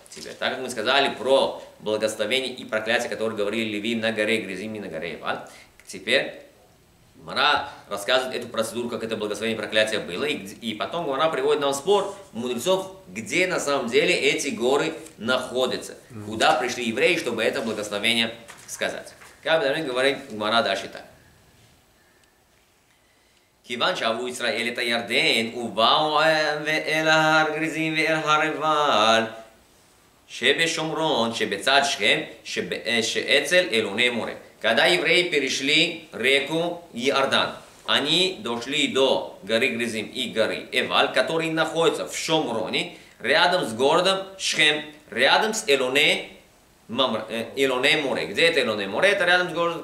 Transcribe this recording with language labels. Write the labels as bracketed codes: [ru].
[ru] Теперь, так как мы сказали про благословение и проклятие, которые говорили левиим на горе Гризим и на горе Эбаль, теперь Гмара рассказывает эту процедуру, как это благословение и проклятие было. И потом Гмара приводит нам спор мудрецов, где на самом деле эти горы находятся. Куда пришли евреи, чтобы это благословение сказать. Как бы должны говорить Гмара дальше так. [he] כיוון שאבו ישראל את הירדן ובאו אל ההר גריזים ואל הר עיבל שבשומרון שבצד שכם שאצל אלוני מורה. [ru] Когда евреи перешли реку Иордан, они дошли до горы Гризим и горы Эваль, которые находятся в Шомроне, рядом с городом Шхем, рядом с Элоне море. Где это Элоне море? Это рядом с городом.